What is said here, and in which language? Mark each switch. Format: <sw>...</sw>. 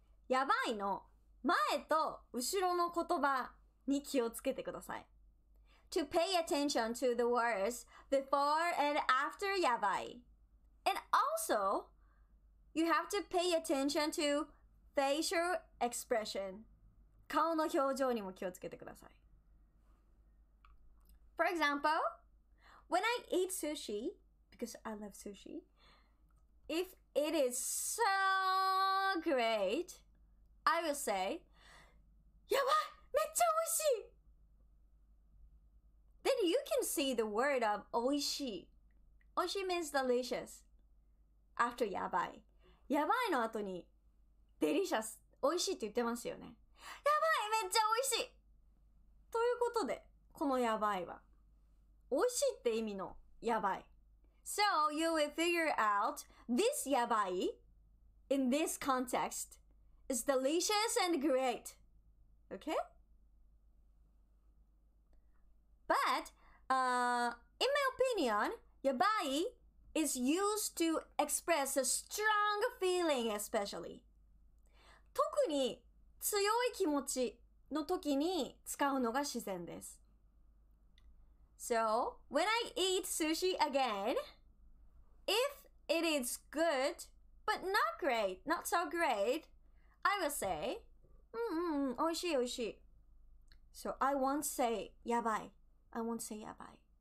<ja>Yabai の前と後ろの言葉に気をつけてください。</ja> <en>To pay attention to the words before and after yabai. And also, you have to pay attention to facial expression.</en> <ja>顔の表情にも気をつけてください。</ja> <en>For example, when I eat sushi, because I love sushi, if it is so great, I will say, yabai,</en> <ja>めっちゃ美味しい!</ja> <en>Then you can see the word of oishi. Oishi means delicious. After yabai.</en> <ja>Yabai の後に delicious, oishi って言ってますよね。yabai, めっちゃ美味しい! ということで、この yabai は美味しいって意味のやばい。</ja> <en>So you will figure out this やばい in this context is delicious and great. Okay? But, in my opinion, やばい is used to express a strong feeling especially.</en> <ja>特に強い気持ちの時に使うのが自然です。</ja> <en>So, when I eat sushi again, if it is good, but not great, not so great, I will say, oishii, oishii. So, I won't say yabai. I won't say yabai.</en>